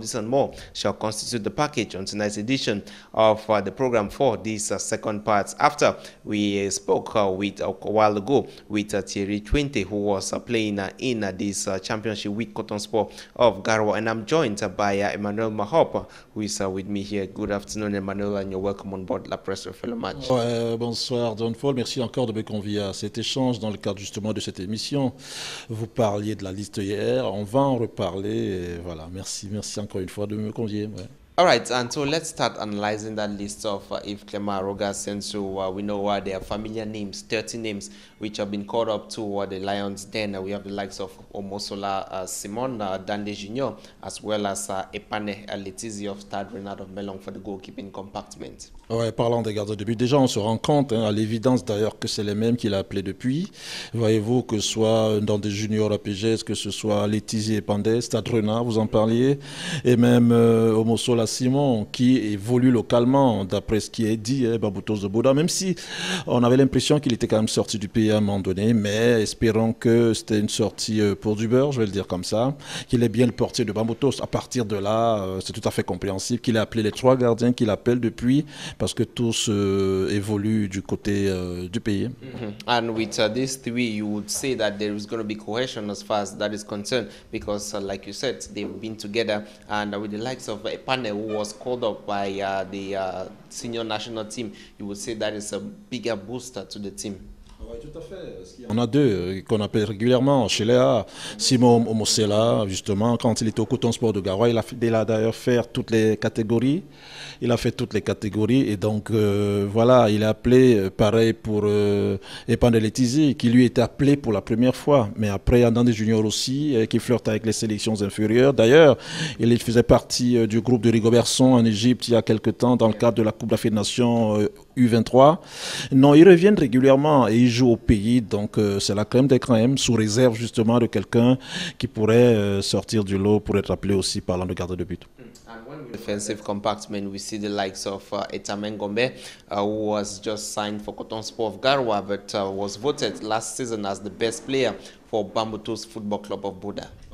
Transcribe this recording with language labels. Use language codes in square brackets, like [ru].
[en] This and more shall constitute the package on tonight's edition of the program for this second part. After we spoke a while ago with Thierry Twente, who was playing in this championship with Cotonsport of Garowa, and I'm joined by Emmanuel Mahop, who is with me here. Good afternoon, Emmanuel, and you're welcome on board La Presse Refait Le Match. [fr] Bonsoir, Don Fall. Merci encore de me convier à cet échange dans le cadre justement de cette émission. Vous parliez de la liste hier, on va en reparler. Voilà, merci encore une fois de me convier. Ouais. [en] All right, and so let's start analyzing that list of Yves Clément Aroga Asensio. We know why there are familiar names, 30 names, which have been called up to the Lions Den. We have the likes of Omosola, Simon, Dande Junior, as well as Epane Letizi of Stade Renard of Melong for the goalkeeping compartment. [fr] Ouais, parlant des gardiens de but, déjà on se rend compte, hein, à l'évidence d'ailleurs, que c'est les mêmes qu'il a appelé depuis. Voyez-vous, que ce soit dans des juniors à PGS, que ce soit Letizi et Pandé, Stade Renard, vous en parliez, et même Omosola Simon, qui évolue localement, d'après ce qui est dit, Babuto Zoboda, même si on avait l'impression qu'il était quand même sorti du pays à un moment donné, mais espérons que c'était une sortie pour du beurre, je vais le dire comme ça, qu'il est bien le portier de Babuto. À partir de là, c'est tout à fait compréhensible qu'il ait appelé les trois gardiens qu'il appelle depuis, parce que tous évoluent du côté du pays. Mm-hmm. [en] And with these three, you would say that there is going to be cohesion as far as that is concerned, because like you said, they've been together, and with the likes of a panel who was called up by the senior national team, you would say that is a bigger booster to the team. [fr] On a deux qu'on appelle régulièrement, Chelea, Simon Omosela, justement, quand il était au Coton Sport de Garoua, il a d'ailleurs fait toutes les catégories. Il a fait toutes les catégories et donc voilà, il est appelé pareil pour Epande Letizi, qui lui était appelé pour la première fois, mais après Andande Junior aussi, qui flirte avec les sélections inférieures. D'ailleurs, il faisait partie du groupe de Rigobert Song en Égypte il y a quelque temps dans le cadre de la Coupe d'Afrique des Nations U23. Non, ils reviennent régulièrement et ils jouent au pays, donc c'est la crème des crèmes, sous réserve justement de quelqu'un qui pourrait sortir du lot pour être appelé aussi parlant de gardien de but. [en] Defensive compact men, we see the likes of Etamen Gombe, who was just signed for Coton Sport of Garoua, but was voted last season as the best player for Bambuto's Football Club of Buda.